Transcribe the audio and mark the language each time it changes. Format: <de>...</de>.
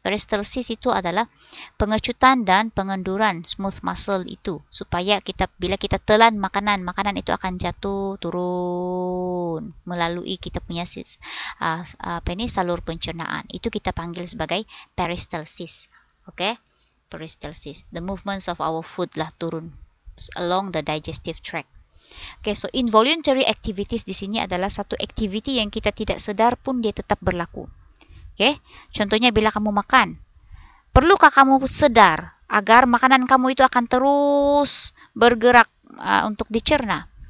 <ms>Peristalsis itu adalah pengecutan dan pengenduran smooth muscle itu supaya kita bila kita telan makanan, makanan itu akan jatuh turun melalui kita punya saluran pencernaan. Itu kita panggil sebagai peristalsis.</ms> <en>Okay, peristalsis, the movements of our food</en> <ms>lah turun</ms> <en>along the digestive tract. Okay, so involuntary activities</en> <ms>di sini adalah satu aktiviti yang kita tidak sedar pun dia tetap berlaku. Okay, contohnya bila kamu makan, perlukah kamu sedar agar makanan kamu itu akan terus bergerak untuk dicerna?</ms>